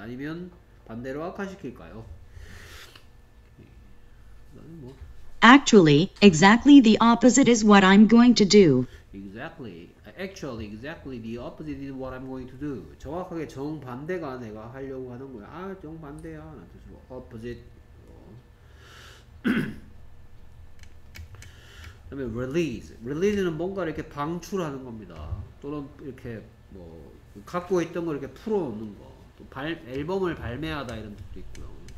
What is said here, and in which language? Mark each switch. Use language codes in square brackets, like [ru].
[ko] 아니면 반대로 악화시킬까요? 뭐 [en] Actually, exactly the opposite is what I'm going to do. Exactly. Actually, exactly the opposite is what I'm going to do. [ko] 정확하게 정반대가 내가 하려고 하는 거야. 아, 정반대야. 나한테 opposite. 그다음에 release는 뭔가 이렇게 방출하는 겁니다. 또는 이렇게 갖고 있던 걸 이렇게 풀어놓는 거. 또 발, 앨범을 발매하다 이런 뜻도 있고요.